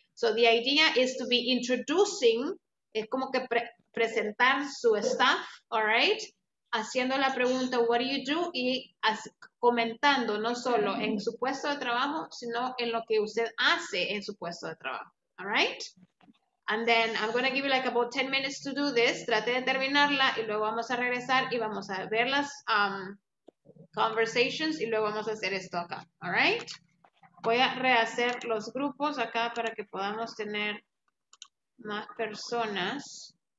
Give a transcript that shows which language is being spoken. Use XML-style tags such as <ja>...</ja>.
<en>So the idea is to be introducing,</en> <es>es como que presentar su</es> <en>staff, all right?</en> <es>Haciendo la pregunta,</es> <en>what do you do?</en> <es>Y comentando no solo en su puesto de trabajo, sino en lo que usted hace en su puesto de trabajo.</es> <en>All right? And then I'm going to give you like about 10 minutes to do this.</en> <es>Trate de terminarla y luego vamos a regresar y vamos a ver las conversations y luego vamos a hacer esto acá.</es> <en>All right?</en> <es>Voy a rehacer los grupos acá para que podamos tener más personas.</es>